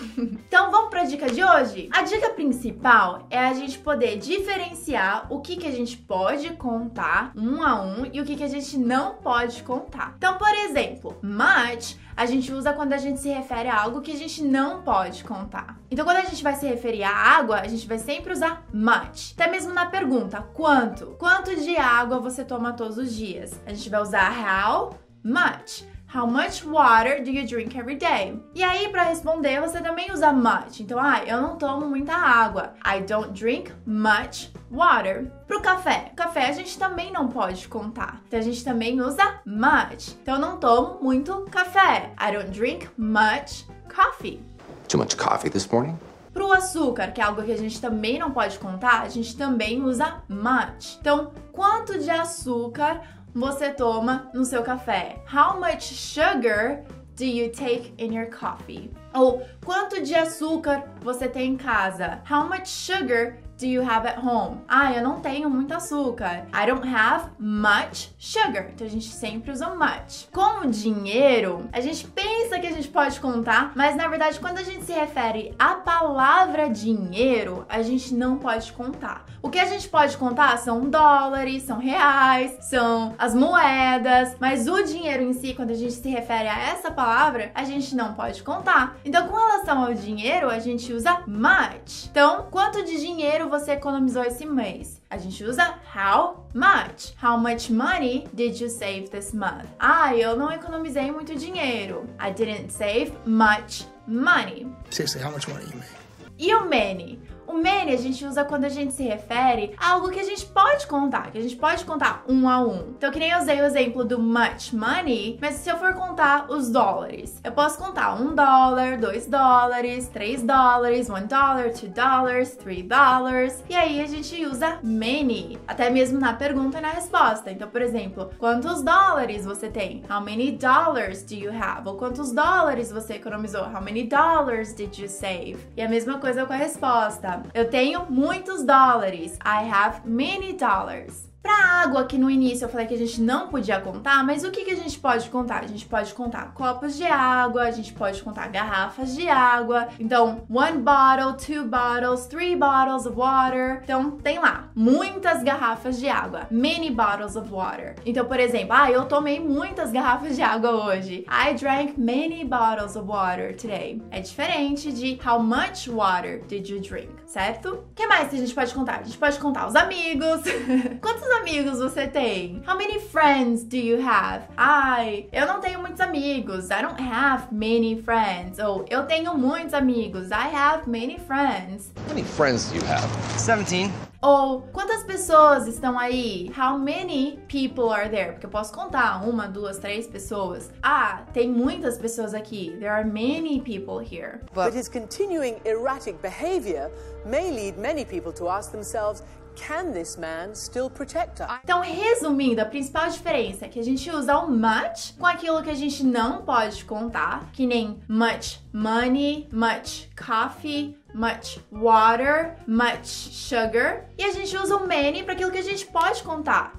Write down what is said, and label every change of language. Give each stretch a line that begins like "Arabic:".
Portuguese: Então vamos pra dica de hoje? A dica principal é a gente poder diferenciar o que, que a gente pode contar um a um e o que, que a gente não pode contar. Então, por exemplo, much a gente usa quando a gente se refere a algo que a gente não pode contar. Então, quando a gente vai se referir à água, a gente vai sempre usar much. Até mesmo na pergunta, quanto? Quanto de água você toma todos os dias? A gente vai usar how much.
English: How much water do you drink every day?
Portuguese: E aí, pra responder, você também usa much. Então, eu não tomo muita água.
English: I don't drink much water.
Portuguese: Pro café. Café a gente também não pode contar. Então, a gente também usa much. Então, eu não tomo muito café.
English: I don't drink much coffee. Too much coffee this morning?
Portuguese: Pro açúcar, que é algo que a gente também não pode contar, a gente também usa much. Então, quanto de açúcar você toma no seu café?
English: How much sugar do you take in your coffee?
Portuguese: Ou quanto de açúcar você tem em casa?
English: How much sugar do you have at home?
Portuguese: Eu não tenho muito açúcar.
English: I don't have much sugar.
Portuguese: Então a gente sempre usa much. Com o dinheiro, a gente pensa que a gente pode contar, mas na verdade quando a gente se refere à palavra dinheiro, a gente não pode contar. O que a gente pode contar são dólares, são reais, são as moedas, mas o dinheiro em si, quando a gente se refere a essa palavra, a gente não pode contar. Então com relação ao dinheiro, a gente usa much. Então, quanto de dinheiro você economizou esse mês? A gente usa how much.
English: How much money did you save this month?
Portuguese: Eu não economizei muito dinheiro.
English: I didn't save much money. Seriously, how much money you make?
Portuguese: E o many? O many a gente usa quando a gente se refere a algo que a gente pode contar, que a gente pode contar um a um. Então, que nem eu usei o exemplo do much money, mas se eu for contar os dólares, eu posso contar $1, $2, $3, $1, $2, $3. E aí a gente usa many, até mesmo na pergunta e na resposta. Então, por exemplo, quantos dólares você tem?
English: How many dollars do you have?
Portuguese: Ou quantos dólares você economizou?
English: How many dollars did you save?
Portuguese: E a mesma coisa com a resposta. Eu tenho muitos dólares.
English: I have many dollars.
Portuguese: Pra água, que no início eu falei que a gente não podia contar, mas o que, que a gente pode contar? A gente pode contar copos de água, a gente pode contar garrafas de água.
English: Então, one bottle, two bottles, three bottles of water.
Portuguese: Então, tem lá, muitas garrafas de água.
English: Many bottles of water.
Portuguese: Então, por exemplo, eu tomei muitas garrafas de água hoje.
English: I drank many bottles of water today.
Portuguese: É diferente de
English: how much water did you drink,
Portuguese: certo? O que mais que a gente pode contar? A gente pode contar os amigos. Quantos amigos você tem?
English: How many friends do you have?
Portuguese: Eu não tenho muitos amigos.
English: I don't have many friends.
Portuguese: Eu tenho muitos amigos.
English: I have many friends. How many friends do you have? 17.
Portuguese: Quantas pessoas estão aí?
English: How many people are there?
Portuguese: Porque eu posso contar uma, duas, três pessoas. Tem muitas pessoas aqui.
English: There are many people here. But his continuing erratic behavior may lead many people to ask themselves, can this man still protect us?
Portuguese: Então, resumindo, a principal diferença é que a gente usa o much com aquilo que a gente não pode contar, que nem much money, much coffee, much water, much sugar. E a gente usa o many para aquilo que a gente pode contar.